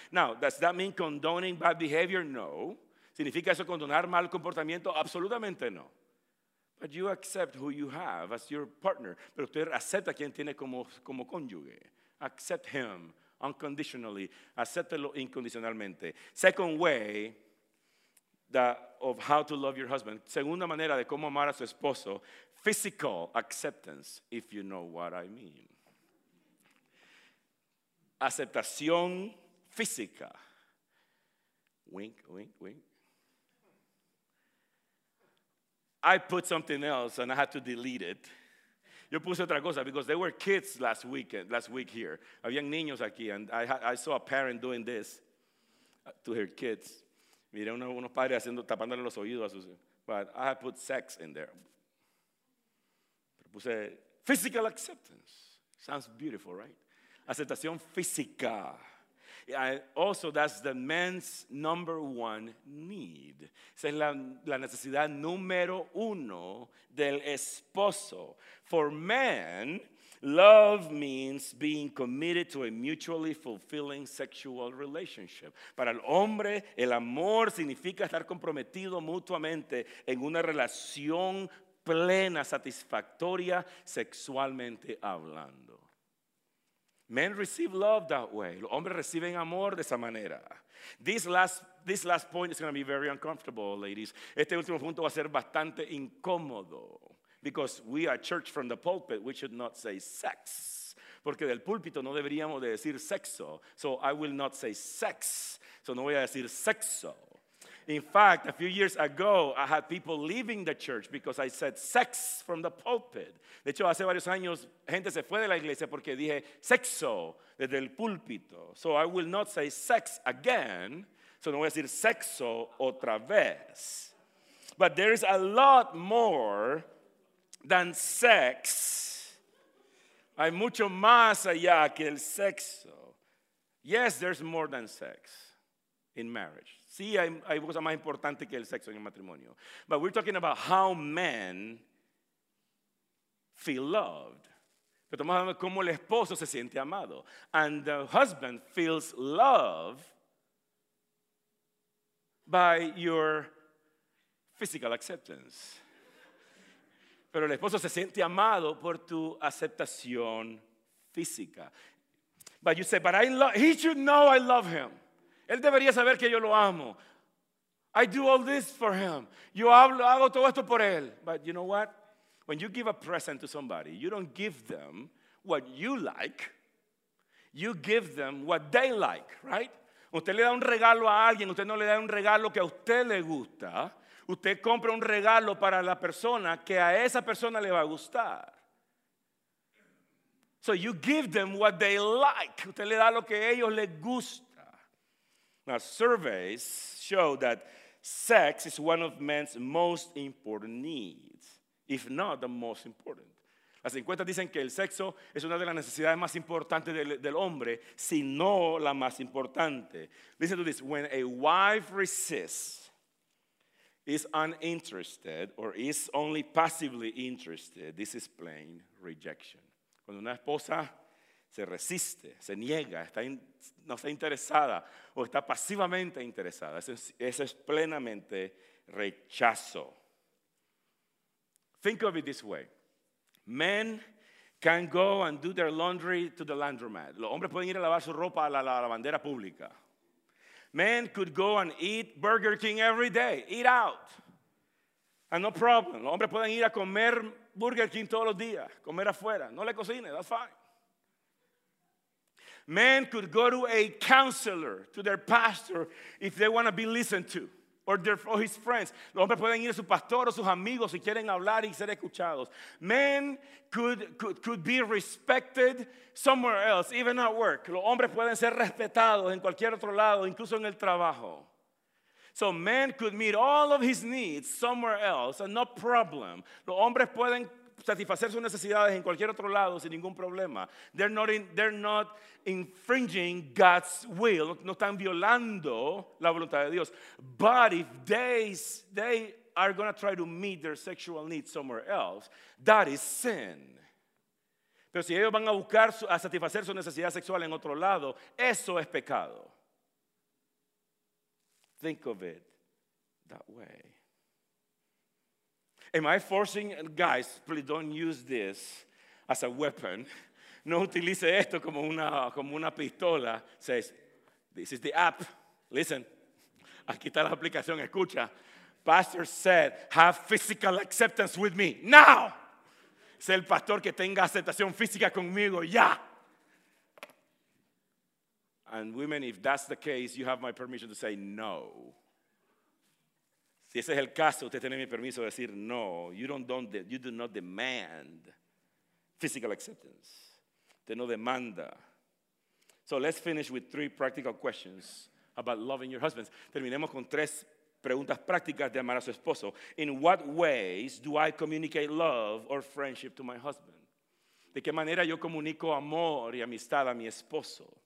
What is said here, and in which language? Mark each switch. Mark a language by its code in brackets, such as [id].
[en] Now, does that mean condoning bad behavior? No. [es] ¿Significa eso condonar mal comportamiento? Absolutamente no. [en] But you accept who you have as your partner. [es] Pero usted acepta quien tiene como cónyuge. [en] Accept him. Unconditionally, [es] acéptelo incondicionalmente. [en] Second way of how to love your husband. [es] Segunda manera de cómo amar a su esposo. [en] Physical acceptance, if you know what I mean. [es] Aceptación física. [en] Wink, wink, wink. I put something else and I had to delete it. [es] Yo puse otra cosa, [en] because there were kids last week here. [es] Habían niños aquí, [en] and I saw a parent doing this to her kids. [es] Miré unos padres haciendo tapándole los oídos a sus hijos. [en] But I put sex in there. [es] Pero puse [en] physical acceptance. Sounds beautiful, right? [es] Aceptación física. [en] Also, that's the man's number one need. [es] Esa es la necesidad número uno del esposo. [en] For men, love means being committed to a mutually fulfilling sexual relationship. [es] Para el hombre, el amor significa estar comprometido mutuamente en una relación plena, satisfactoria, sexualmente hablando. [en] Men receive love that way. [es] Los hombres reciben amor de esa manera. [en] This last point is going to be very uncomfortable, ladies. [es] Este último punto va a ser bastante incómodo. [en] Because we are church from the pulpit, we should not say sex. [es] Porque del púlpito no deberíamos de decir sexo. [en] So I will not say sex. [es] So no voy a decir sexo. [en] In fact, a few years ago, I had people leaving the church because I said sex from the pulpit. [es] De hecho, hace varios años, gente se fue de la iglesia porque dije sexo desde el púlpito. [en] So I will not say sex again. [es] So no voy a decir sexo otra vez. [en] But there is a lot more than sex. [es] Hay mucho más allá que el sexo. [en] Yes, there's more than sex in marriage. [es] Sí, hay cosas más importantes que el sexo en el matrimonio. [en] But we're talking about how men feel loved. [es] Pero estamos hablando de cómo el esposo se siente amado. [en] And the husband feels love by your physical acceptance. [es] Pero el esposo se siente amado por tu aceptación física. [en] But you say, but I love, he should know I love him. [es] Él debería saber que yo lo amo. [en] I do all this for him. [es] Yo hago todo esto por él. [en] But you know what? When you give a present to somebody, you don't give them what you like. You give them what they like, right? [es] Usted le da un regalo a alguien, usted no le da un regalo que a usted le gusta. Usted compra un regalo para la persona que a esa persona le va a gustar. [en] So you give them what they like. [es] Usted le da lo que a ellos les gusta. [en] Now surveys show that sex is one of men's most important needs, if not the most important. [es] Las encuestas dicen que el sexo es una de las necesidades más importantes del hombre, si no la más importante. [en] Listen to this. When a wife resists, is uninterested, or is only passively interested, this is plain rejection. [es] Cuando una esposa se resiste, se niega, no está interesada o está pasivamente interesada, eso es plenamente rechazo. [en] Think of it this way. Men can go and do their laundry to the laundromat. [es] Los hombres pueden ir a lavar su ropa a la lavandera pública. [en] Men could go and eat Burger King every day, eat out. And no problem. [es] Los hombres pueden ir a comer Burger King todos los días, comer afuera. No le cocine, [en] that's fine. Men could go to a counselor, to their pastor, if they want to be listened to, or his friends. [es] Los hombres pueden ir a su pastor o sus amigos si quieren hablar y ser escuchados. [en] Men could be respected somewhere else, even at work. [es] Los hombres pueden ser respetados en cualquier otro lado, incluso en el trabajo. [en] So men could meet all of his needs somewhere else, and no problem. [es] Los hombres pueden satisfacer sus necesidades en cualquier otro lado sin ningún problema. [en] They're not infringing God's will. [es] No están violando la voluntad de Dios. [en] But if they are going to try to meet their sexual needs somewhere else, that is sin. [es] Pero si ellos van a buscar a satisfacer su necesidad sexual en otro lado, eso es pecado. [en] Think of it that way. Am I forcing, guys, please don't use this as a weapon. [es] No utilice esto como una pistola. [en] Says, this is the app. Listen, [es] aquí está la aplicación, escucha. [en] Pastor said, have physical acceptance with me, now. [es] Es el pastor que tenga aceptación física conmigo, ya. [en] And women, if that's the case, you have my permission to say no. [es] Si ese es el caso, usted tiene mi permiso de decir no. [en] You do not demand physical acceptance. [es] Usted no demanda. [en] So let's finish with three practical questions about loving your husbands. [es] Terminemos con tres preguntas prácticas de amar a su esposo. [en] In what ways do I communicate love or friendship to my husband? [es] ¿De qué manera yo comunico amor y amistad a mi esposo?